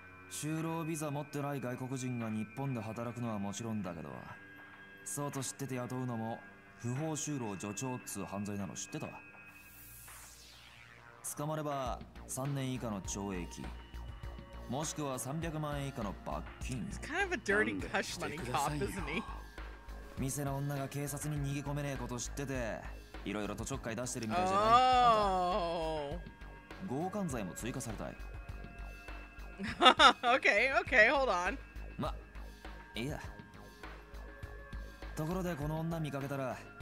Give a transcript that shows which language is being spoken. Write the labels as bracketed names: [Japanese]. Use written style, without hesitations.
[Japanese] 就労ビザ持ってない外国人が日本で働くのはもちろんだけど、そうと知ってて雇うのも不法就労助長っつう犯罪なの知ってた。捕まれば3年以下の懲役、もしくは300万円以下の罰金。 [English] It's kind of a dirty cash money cop, isn't he? [Japanese] 店の女が警察に逃げ込めねえこと知ってて、いろいろとちょっかい出してるみたいじゃない。強姦罪も追加されたい。 [English] okay, okay, hold on. [Japanese] ま、いや。ところでこの女見かけたら、